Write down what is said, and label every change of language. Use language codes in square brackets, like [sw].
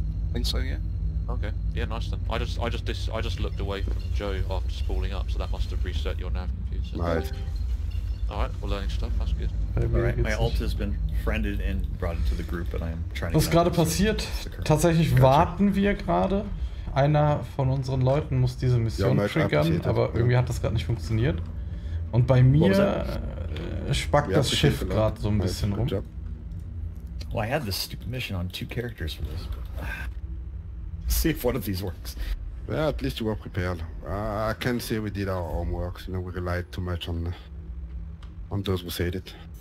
[en] I think so, yeah. Okay. Yeah, nice then. I just looked away from Joe after spooling up, so that must have reset your nav computer. Nice. Alright, we're learning stuff, that's good. Alright, my alt has been friended and brought into the group, and I am trying to... [de] Was gerade passiert? Tatsächlich warten wir gerade. Einer von unseren Leuten muss diese Mission triggern, aber irgendwie hat das gerade nicht funktioniert. Und bei mir spackt das Schiff gerade so ein bisschen rum. [en] Well, I had this stupid mission on two characters for this, see if one of these works. Well, at least you were prepared. I can't say we did our homework. You know, we relied too much on those who said it.